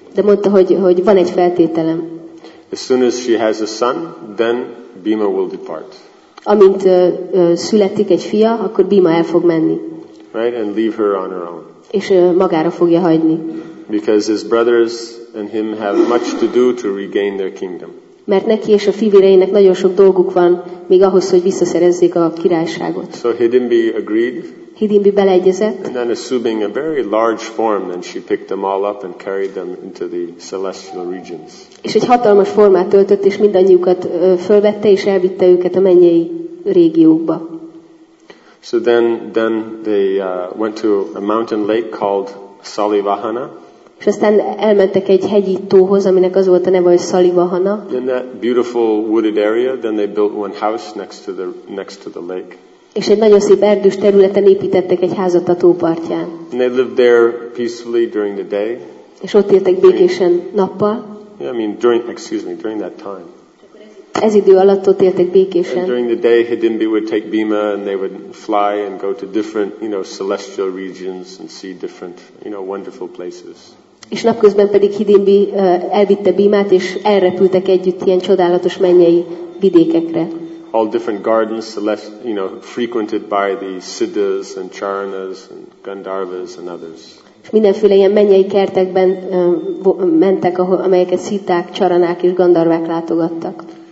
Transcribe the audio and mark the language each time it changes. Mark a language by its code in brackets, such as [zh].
[hu] De mondta, hogy van egy feltételem. [en] As soon as she has a son, then Bhima will depart. [hu] Amint születik egy fia, akkor Bhima el fog menni. [en] Right, and leave her on her own. [hu] És magára fogja hagyni. [en] Because his brothers and him have much to do to regain their kingdom. [hu] Mert neki és a fivéreinek nagyon sok dolguk van, még ahhoz, hogy visszaszerezzék a királyságot. [en] So Hidimbi agreed. [hu] Hidimbi beleegyezett. [en] And then assuming a very large form, then she picked them all up and carried them into the celestial regions. [hu] És egy hatalmas formát öltött, és mindannyiukat fölvette, és elvitte őket a mennyei régiókba. [en] So then they went to a mountain lake called Salivahana. [hu] És aztán elmentek egy hegyi tóhoz, aminek az volt a neve, hogy Salivahana. [en] In that beautiful wooded area, then they built one house next to the lake. [hu] És egy nagyon szép erdős területen építettek egy házat a tópartján. [en] And they lived there peacefully during the day. [hu] És ott éltek békésen nappal. [en] Yeah, during that time. [hu] Ez idő alatt ott éltek békésen. [en] And during the day, Hidimbi would take Bhima and they would fly and go to different, celestial regions and see different, wonderful places. [hu] És napközben pedig Hidimbi elvitte Bhimát, és elrepültek együtt ilyen csodálatos mennyei vidékekre. [en] All different gardens, frequented by the Siddhas and Charanas and Gandharvas and others. [hu] És mindenféle ilyen mennyei kertekben mentek, amelyeket Szitták, Charanák és Gandharvák látogattak.